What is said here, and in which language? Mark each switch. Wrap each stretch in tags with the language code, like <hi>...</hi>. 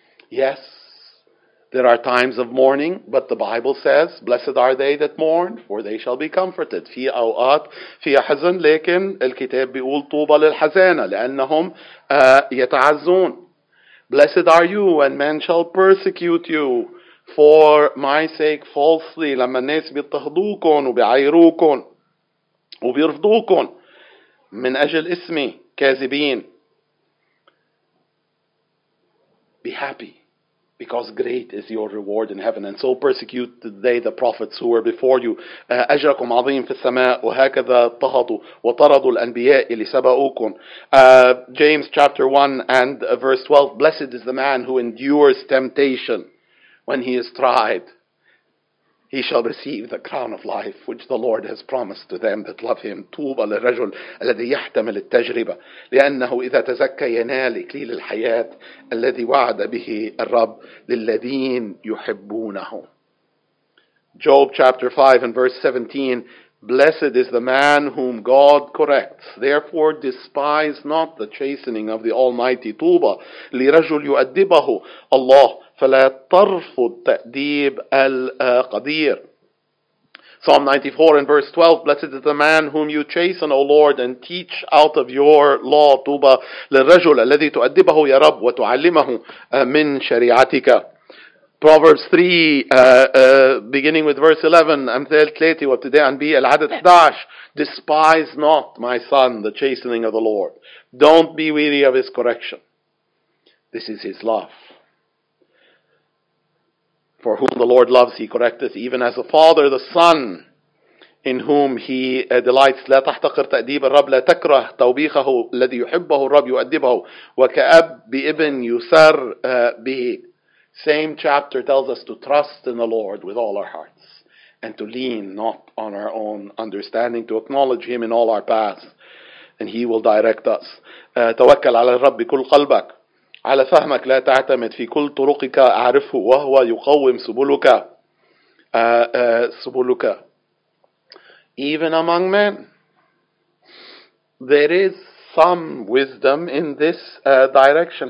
<en>Yes, there are times of mourning, but the Bible says, blessed are they that mourn, for they shall be comforted.</en> <ar>في أوقات في حزن لكن الكتاب بيقول طوبى للحزانة لأنهم يتعزون.</ar> <en>Blessed are you when men shall persecute you for my sake falsely.</en> <ar>لما الناس بيضطهدوكم وبيعيروكم وبيرفضوكم من أجل اسمي كاذبين.</ar> <en>Be happy, because great is your reward in heaven. And so persecuted they the prophets who were before you.</en> <ar>أجركم عظيم في السماء وهكذا اضطهدوا وطردوا الأنبياء اللي سبقوكم.</ar> <en>James chapter 1 and verse 12. Blessed is the man who endures temptation when he is tried. He shall receive the crown of life which the Lord has promised to them that love him.</en> <ar>طوبى للرجل الذي يحتمل التجربة لأنه إذا تزكى ينال إكليل الحياة الذي وعد به الرب للذين يحبونه.</ar> <en>Job chapter 5 and verse 17, blessed is the man whom God corrects, therefore despise not the chastening of the Almighty.</en> <ar>طوبى لرجل يؤدبه الله فلا ترفض تأديب القدير.</ar> <en>Psalm 94 and verse 12, blessed is the man whom you chasten, O Lord, and teach out of your law.</en> <ar>طوبى للرجل الذي تؤدبه يا رب وتعلمه من شريعتك.</ar> <en>Proverbs 3, beginning with verse 11,</en> <ar>أمثال 3 وابتداءً أن بي العدد 11,</ar> <en>despise not, my son, the chastening of the Lord. Don't be weary of his correction. This is his love. For whom the Lord loves, he correcteth, even as a father, the son, in whom he delights.</en> <ar>لا تحتقر تأديب الرب لا تكره توبيخه الذي يحبه الرب يؤدبه وكأب بابن يسر به.</ar> <en>Same chapter tells us to trust in the Lord with all our hearts and to lean not on our own understanding, to acknowledge him in all our paths, and he will direct us.</en> <ar>توكل على الرب بكل قلبك على فهمك لا تعتمد في كل طرقك أعرفه وهو يقوم سبلك سبلك.</ar> <en>Even among men, there is some wisdom in this direction.</en>